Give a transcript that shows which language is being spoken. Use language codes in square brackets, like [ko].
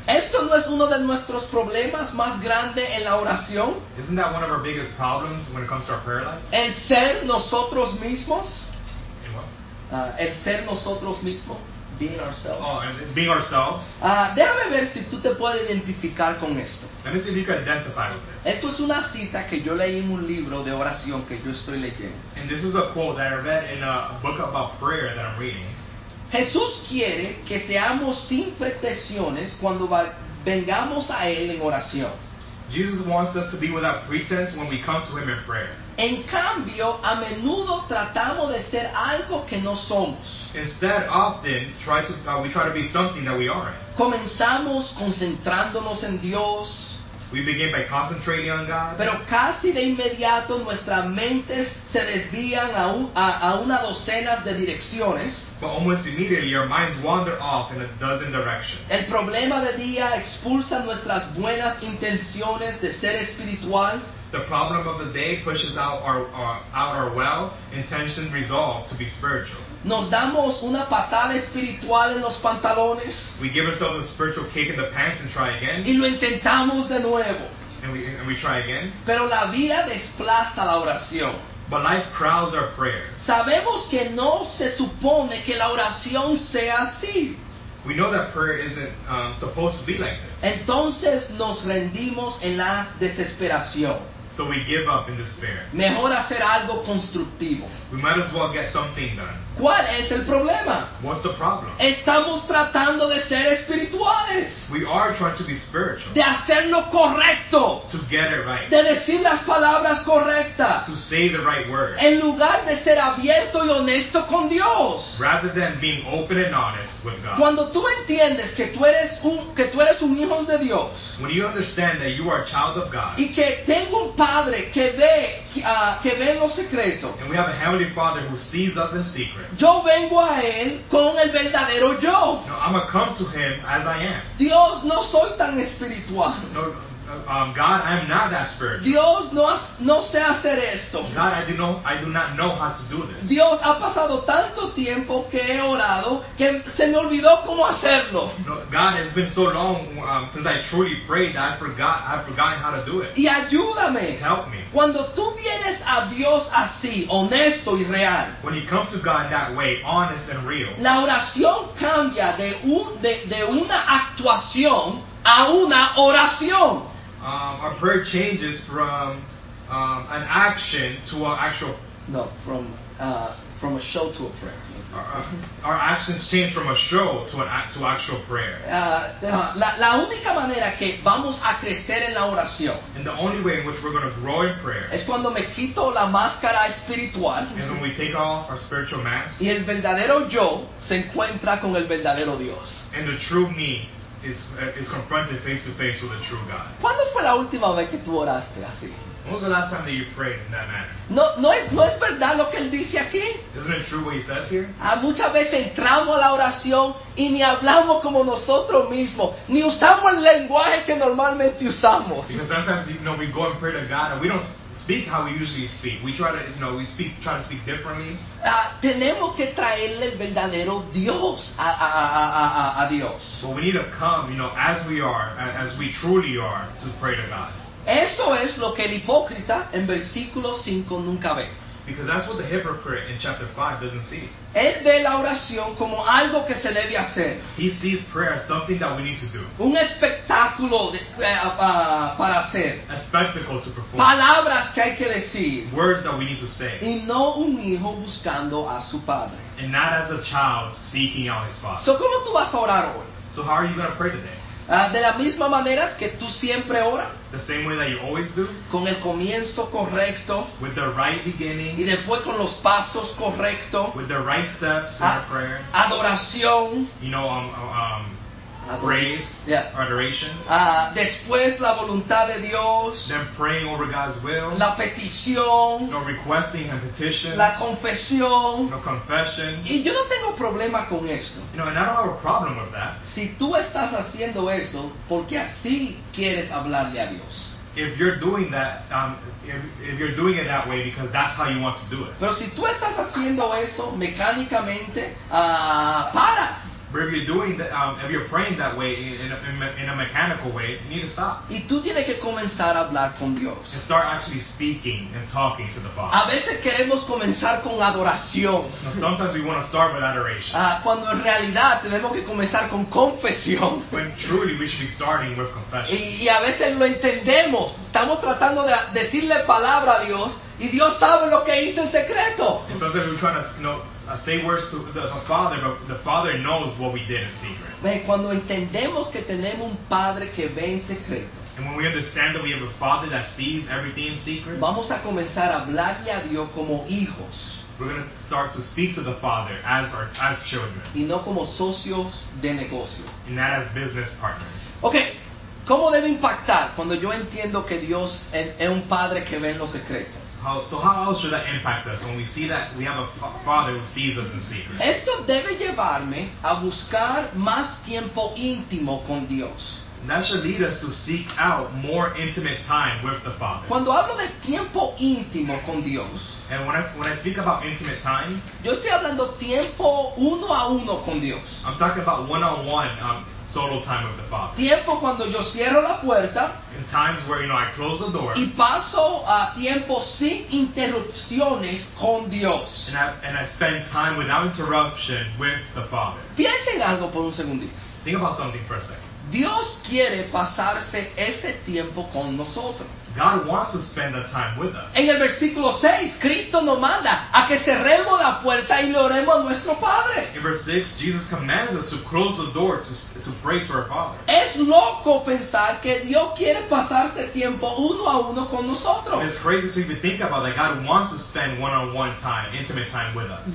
[es] Esto no es uno de nuestros problemas más grandes en la oración. [en] Isn't that one of our biggest problems when it comes to our prayer life? [es] El ser nosotros mismos. El ser nosotros mismos. [en] Being ourselves. Oh, and being ourselves. [es] Déjame ver si tú te puedes identificar con esto. [en] Let me see if you can identify with this. [es] Esto es una cita que yo leí en un libro de oración que yo estoy leyendo. [en] And this is a quote that I read in a book about prayer that I'm reading. [es] Jesús quiere que seamos sin pretensiones cuando vengamos a Él en oración. [en] Jesus wants us to be without pretense when we come to Him in prayer. [es] En cambio, a menudo tratamos de ser algo que no somos. [en] Instead, often, we try to be something that we aren't. [es] Comenzamos concentrándonos en Dios. [en] We begin by concentrating on God. [es] Pero casi de inmediato nuestras mentes se desvían a una docena de direcciones. [en] But almost immediately our minds wander off in a dozen directions. [es] El problema de día expulsa nuestras buenas intenciones de ser espiritual. [en] The problem of the day pushes out our well-intentioned resolve to be spiritual. [es] Nos damos una patada espiritual en los pantalones. [en] We give ourselves a spiritual kick in the pants and try again. [es] Y lo intentamos de nuevo. [en] and we try again. [es] Pero la vida desplaza la oración. [en] But life crowds our prayer. [es] Sabemos que no se supone que la oración sea así. [en] We know that prayer isn't supposed to be like this. [es] Entonces nos rendimos en la desesperación. [en] So we give up in despair. [es] Mejor hacer algo constructivo. [en] We might as well get something done. [es] ¿Cuál es el problema? [en] What's the problem? [es] Estamos tratando de ser espirituales. [en] We are trying to be spiritual. [es] De hacer lo correcto. [en] To get it right. [es] De decir las palabras correctas. [en] To say the right words. [es] En lugar de ser abierto y honesto con Dios. [en] Rather than being open and honest with God. [es] Cuando tú entiendes que tú eres un hijo de Dios. [en] When you understand that you are a child of God. [es] Y que tengo un padre que ve lo secreto. [en] And we have a heavenly Father who sees us in secret. [es] Yo vengo a él con el verdadero yo. [en] No, I'm gonna come to him as I am. [es] Dios, no soy tan espiritual. [en] No, God, I'm not that spiritual. [es] Dios, no sé hacer esto. [en] God, I do not know how to do this. [es] Dios, ha pasado tanto tiempo que he orado que se me olvidó cómo hacerlo. [en] No, God, it's been so long since I truly prayed that I've forgotten how to do it. [es] Y ayúdame. [en] Help me. [es] Cuando tú vienes a Dios así, honesto y real. [en] When you come to God that way, honest and real. [es] La oración cambia de una actuación a una oración. [en] Our prayer changes from an action to an actual. No, from a show to a prayer. Our actions change from a show to an actual prayer. La única manera que vamos a crecer en la oración. And the only way in which we're going to grow in prayer. Es cuando me quito la máscara espiritual. And when we take off our spiritual mask. Y el verdadero yo se encuentra con el verdadero Dios. And the true me. Is confronted face to face with the true God. [es] ¿Cuándo fue la última vez que tú oraste así? [en] When was the last time that you prayed in that manner? [es] No es verdad lo que él dice aquí. [en] Isn't it true what he says here? [es] Muchas veces entramos a la oración y ni hablamos como nosotros mismos, ni usamos el lenguaje que normalmente usamos. [en] Because sometimes, you know, we go and pray to God and we don't speak how we usually speak. We try to speak differently. [es] Tenemos que traerle el verdadero Dios a Dios. [en] But we need to come, you know, as we are, as we truly are, to pray to God. [es] Eso es lo que el hipócrita en versículo 5 nunca ve. [en] Because that's what the hypocrite in chapter 5 doesn't see. [es] Él ve la oración como algo que se debe hacer. [en] He sees prayer as something that we need to do. [es] Un espectáculo para hacer. [en] A spectacle to perform. [es] Palabras que hay que decir. [en] Words that we need to say. [es] Y no un hijo buscando a su padre. [en] And not as a child seeking out his father. [es] So, ¿cómo tú vas a orar hoy? [en] So how are you going to pray today? [es] De la misma manera que tú siempre oras. [en] The same way that you always do. [es] Con el comienzo correcto. [en] With the right beginning. [es] Y después con los pasos correctos. [en] With the right steps in prayer. [es] Adoración. [en] You know, praise. Yeah. Adoration. [es] Después la voluntad de Dios. [en] Then praying over God's will. [es] La petición. [en] No, requesting and petitions. [es] La confesión. [en] No, confession. [es] Y yo no tengo problema con esto. [en] You know, and I don't have a problem with that. [es] Si tú estás haciendo eso, porque así quieres hablarle a Dios. [en] If you're doing that, if you're doing it that way, because that's how you want to do it. [es] Pero si tú estás haciendo eso mecánicamente, para. [en] But if you're doing that, if you're praying that way in a mechanical way, you need to stop. [es] Y tú tienes que comenzar a hablar con Dios. [en] And start actually speaking and talking to the Father. [es] A veces queremos comenzar con adoración. [en] Now, sometimes we want to start with adoration. [es] Cuando en realidad tenemos que comenzar con confesión. [en] When truly we should be starting with confession. [es] Y a veces lo entendemos. Estamos tratando de decirle palabra a Dios. Y Dios sabe lo que hice en secreto. [en] And sometimes we're trying to, you know, say words to the Father, but the Father knows what we did in secret. [es] Cuando entendemos que tenemos un padre que ve en secreto. [en] And when we understand that we have a Father that sees everything in secret. [es] Vamos a comenzar a hablarle a Dios como hijos. [en] We're going to start to speak to the Father as children. [es] Y no como socios de negocio. [en] And not as business partners. Okay. [es] ¿Cómo debe impactar cuando yo entiendo que Dios es un padre que ve en los secretos? [en] How else should that impact us when we see that we have a Father who sees us in secret? [es] Esto debe llevarme a buscar más tiempo íntimo con Dios. [en] And that should lead us to seek out more intimate time with the Father. [es] Cuando hablo de tiempo íntimo con Dios. [en] And when I speak about intimate time. [es] Yo estoy hablando tiempo uno a uno con Dios. [en] I'm talking about one-on-one, solo time of the Father. [es] Tiempo cuando yo cierro la puerta. [en] In times where, you know, I close the door. [es] Y paso tiempo sin interrupciones con Dios. [en] And I spend time without interruption with the Father. [es] Piensen algo por un segundito. [en] Think about something for a second. [es] Dios quiere pasarse ese tiempo con nosotros. [en] God wants to spend that time with us. [es] En el versículo 6, Cristo nos manda a que cerremos la puerta y le oremos a nuestro Padre. [en] In verse 6, Jesus commands us to close the door to pray to our Father. [es] Es loco pensar que Dios quiere pasarse tiempo uno a uno con nosotros. [en] It's crazy to even think about that God wants to spend one-on-one time, intimate time with us.